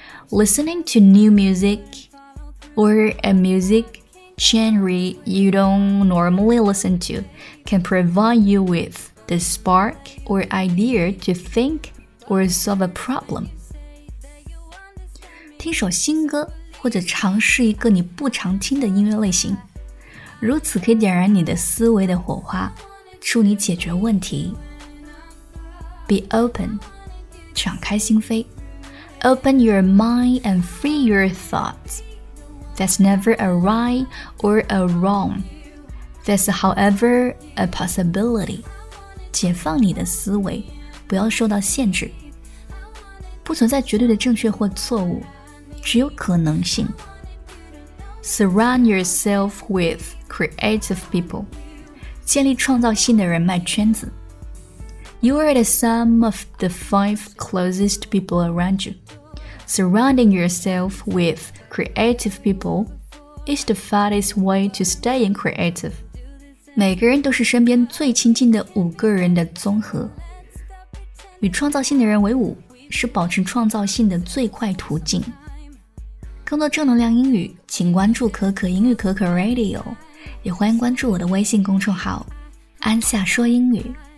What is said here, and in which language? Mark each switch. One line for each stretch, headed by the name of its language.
English: Listening to new music or a music genre you don't normally listen to can provide you with the spark or idea to think or solve a problem.
Chinese: 听首新歌或者尝试一个你不常听的音乐类型，如此可以点燃你的思维的火花，助你解决问题。
English: Be open，
Chinese: 敞开心扉。
English: Open your mind and free your thoughts. There's never a right or a wrong. There's, however, a possibility.
Chinese: 解放你的思维，不要受到限制。不存在绝对的正确或错误，只有可能性。
English: Surround yourself with creative people.
Chinese: 建立创造性的人脉圈子。
English: You are the sum of the five closest people around you. Surrounding yourself with creative people is the fastest way to staying creative.
Chinese: 每个人都是身边最亲近的五个人的综合。与创造性的人为伍是保持创造性的最快途径。更多正能量英语，请关注可可英语可可 Radio， 也欢迎关注我的微信公众号安夏说英语。